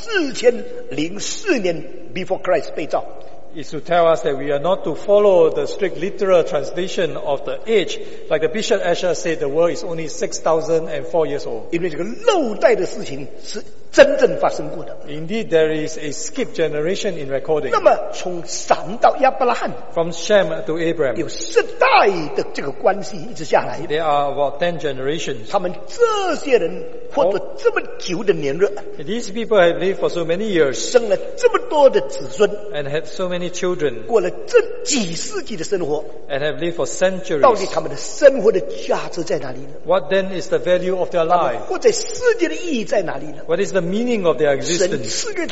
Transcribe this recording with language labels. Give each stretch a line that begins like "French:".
Chinese: 只要我们不照着旧约年代的计算法来相信阿谢所讲的亚当是4004年
English: before Christ
Chinese: 被造。
English: Is to tell us that we are not to follow the strict literal translation of the age. Like the Bishop Asher said, the world is only 6004 years old.
Chinese: 因为这个漏代的事情是真正发生过的。
English: Indeed, there is a skip generation in recording.
Chinese: 那么从闪到亚伯拉罕,
English: from Shem to Abraham,
Chinese: 有十代的这个关系一直下来,
English: there are about 10 generations.
Chinese: 他们这些人活了这么久的年日,
English: these people have lived for so many years,
Chinese: 生了这么多的子孙,
English: and had so many children,
Chinese: 过了这几世纪的生活,
English: and have lived for centuries.
Chinese: 到底他们的生活的价值在哪里呢?
English: What then is the value of their life?
Chinese: 他们活在世界的意义在哪里呢?
English: What is the meaning of their existence?